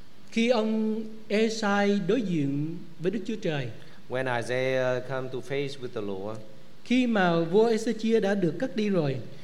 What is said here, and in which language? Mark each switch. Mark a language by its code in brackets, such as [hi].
[vi] khi ông Esai đối diện với Đức Chúa Trời, [en] when Isaiah come to face with the Lord, [vi] khi mà vua Ezechia đã được cất đi rồi,